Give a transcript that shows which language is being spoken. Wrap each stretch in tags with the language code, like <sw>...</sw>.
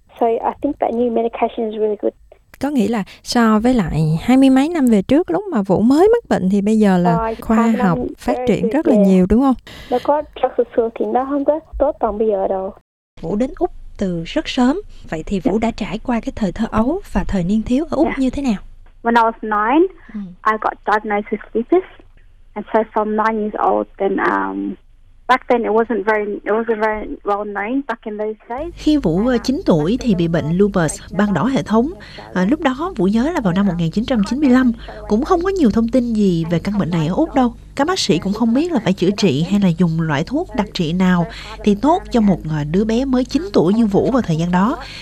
<en>So I think that new medication is really good.</en> <vi>Có nghĩa là so với lại 20 mấy năm về trước, lúc mà Vũ mới mắc bệnh thì bây giờ là khoa học phát triển rất là nhiều đúng không? Nó có trước xưa thì nó không có tốt bằng bây giờ đâu. Vũ đến Úc từ rất sớm, vậy thì Vũ đã trải qua cái thời thơ ấu và thời niên thiếu ở Úc như thế nào?</vi> <en>When I was 9, I got diagnosed with lupus, and so from 9 years old then back then it wasn't very well known back in those days.</en> <vi>Khi Vũ 9 tuổi thì bị bệnh lupus ban đỏ hệ thống. Lúc đó Vũ nhớ là vào năm 1995, cũng không có nhiều thông tin gì về căn bệnh này ở Úc đâu. Các bác sĩ cũng không biết là phải chữa trị hay là dùng loại thuốc đặc trị nào thì tốt cho một đứa bé mới 9 tuổi như Vũ vào thời gian đó.</vi>